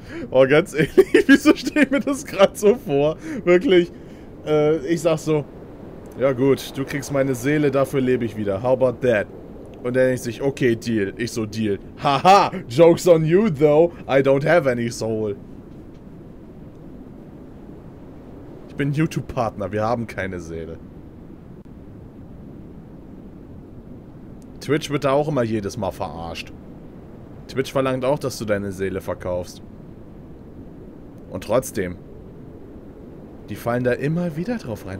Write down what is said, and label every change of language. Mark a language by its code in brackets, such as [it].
[de] Oh, ganz ehrlich, wieso steht mir das gerade so vor? Wirklich, ich sag so, ja gut, du kriegst meine Seele, dafür lebe ich wieder. [en] How about that? [de] Und dann denkt sich, okay, Deal. Ich so, Deal. [en] Haha, joke's on you though, I don't have any soul. [de] Ich bin YouTube-Partner, wir haben keine Seele. Twitch wird da auch immer jedes Mal verarscht. Twitch verlangt auch, dass du deine Seele verkaufst. Und trotzdem, die fallen da immer wieder drauf rein.